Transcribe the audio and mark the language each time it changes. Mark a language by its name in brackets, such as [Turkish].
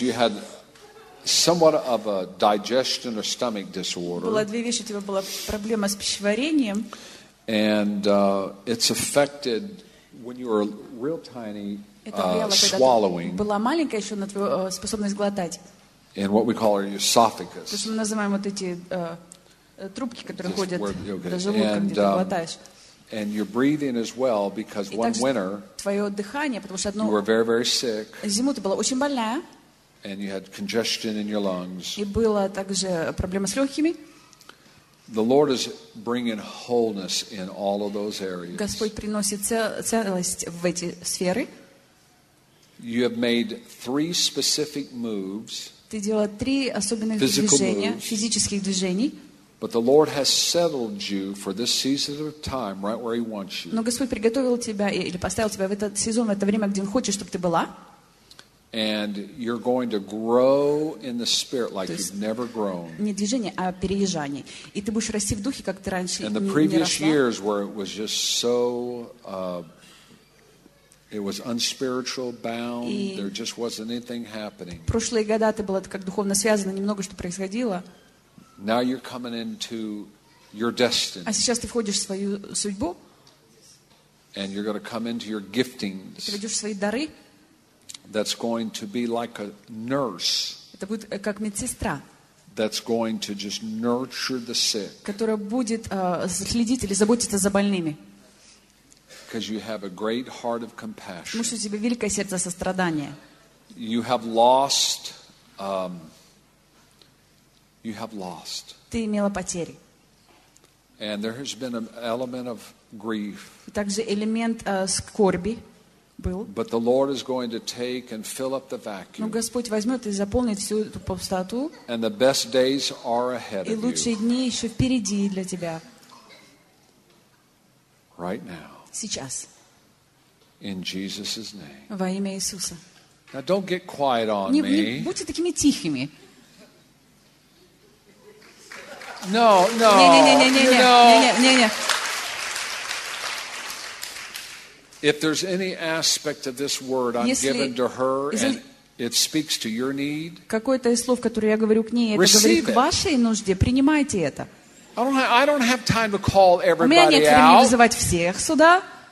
[English] You had somewhat of a digestion or stomach disorder. [Russian] Было две вещи. У тебя была проблема с пищеварением. [English] And it's affected when you were real tiny swallowing. [Russian] Была маленькая еще на твою способность глотать. [English] And what we call our esophagus. [Russian] То, что мы называем вот эти трубки, которые ходят до желудка, где ты глотаешь. [English] And you're breathing as well because [Russian] И [English] one winter [Russian] твое дыхание, потому что одно... [English] you were very, very sick. [Russian] Зиму ты была очень больная. [English] And you had congestion in your lungs. [Russian] И было также проблема с легкими. [English] The Lord is bringing wholeness in all of those areas. [Russian] Господь приносит целость в эти сферы. [English] You have made three specific moves. [Russian] Ты делала три особенных движения, физических движений. [English] But the Lord has settled you for this season of time right where He wants you. [Russian] Но Господь приготовил тебя или поставил тебя в этот сезон, в это время, где Он хочет, чтобы ты была. [English] And you're going to grow in the Spirit like you've never grown. [Russian] Не движение, а переезжание. И ты будешь расти в духе, как ты раньше не росла. [English] And the previous years where it was just so, it was unspiritual bound. There just wasn't anything happening. [Russian] Прошлые года ты была как духовно связана, немного что происходило. [English] Now you're coming into your destiny. [Russian] А сейчас ты входишь в свою судьбу. [English] And you're going to come into your giftings. [Russian] Ты войдешь в свои дары. [English] That's going to be like a nurse. [Russian] Это будет как медсестра. [English] That's going to just nurture the sick. [Russian] Которая будет следить или заботиться за больными. [English] Because you have a great heart of compassion. [Russian] Потому что у тебя великое сердце сострадания. [English] You have lost. You have lost. [Russian] Ты имела потери. [English] And there has been an element of grief. [Russian] Также элемент скорби был. [English] But the Lord is going to take and fill up the vacuum. [Russian] Но Господь возьмет и заполнит всю эту пустоту. [English] And the best days are ahead of you. [Russian] И лучшие дни еще впереди для тебя. [English] Right now. [Russian] Сейчас. [English] In Jesus' name. [Russian] Во имя Иисуса. [English] Now don't get quiet on me. [Russian] Не будьте такими тихими. [English] No, no. [Russian] Не-не-не-не-не-не-не-не-не-не. [English] If there's any aspect of this word I'm given to her and it speaks to your need. [Russian] Какое-то из слов, которое я говорю к ней, это говорит к вашей нужде, принимайте это. [English] I don't have time to call everybody out. [Russian] У меня нет времени вызывать всех сюда.